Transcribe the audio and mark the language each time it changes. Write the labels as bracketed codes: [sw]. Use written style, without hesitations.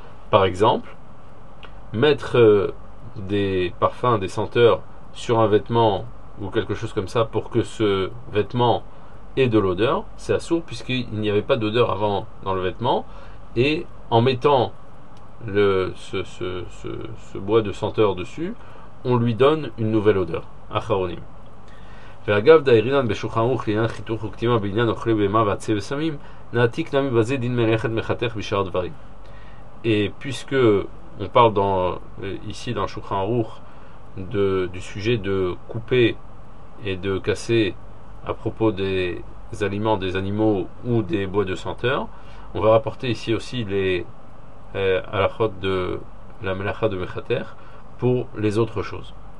[fr] Par exemple, mettre des parfums, des senteurs sur un vêtement ou quelque chose comme ça pour que ce vêtement ait de l'odeur, c'est assur puisqu'il n'y avait pas d'odeur avant dans le vêtement. Et en mettant ce bois de senteur dessus, on lui donne une nouvelle odeur. [he] Acharonim. ואגב דאירינן בשולחן ערוך לעניין חיתוך וקטימה בעניין אוכלי בהמה ועצי וסמים, נעתיק נמי בזה דין מלאכת מחתך בשאר דברים. [fr] Et puisque on parle ici dans le Shulchan Aruch du sujet de couper et de casser à propos des aliments, des animaux ou des bois de senteur, on va rapporter ici aussi les halakhot de la melacha de mechater pour les autres choses.